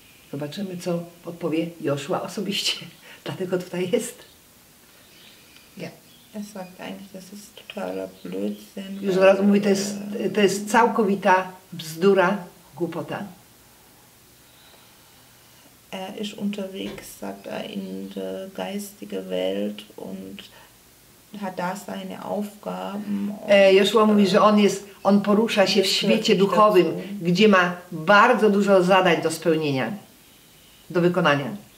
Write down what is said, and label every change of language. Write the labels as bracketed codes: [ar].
[pl] Zobaczymy, co odpowie Joshua osobiście. Dlatego tutaj jest. [de] Er sagt eigentlich, das ist totaler Blödsinn. [pl] Już zaraz mówi, to jest całkowita bzdura, głupota. [de] Er ist unterwegs, sagt er, in der geistigen Welt und hat da seine Aufgaben. [pl] Joshua mówi, że on porusza się w świecie duchowym, gdzie ma bardzo dużo zadań do spełnienia, do wykonania.